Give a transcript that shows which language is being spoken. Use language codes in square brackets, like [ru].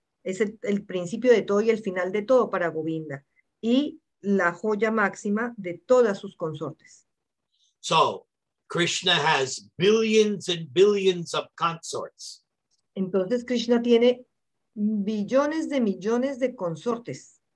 [es] Es el principio de todo y el final de todo para Govinda. Y la joya máxima de todas sus consortes. [en] So, Krishna has billions and billions of consorts. [es] Entonces Krishna tiene billones de millones de consortes.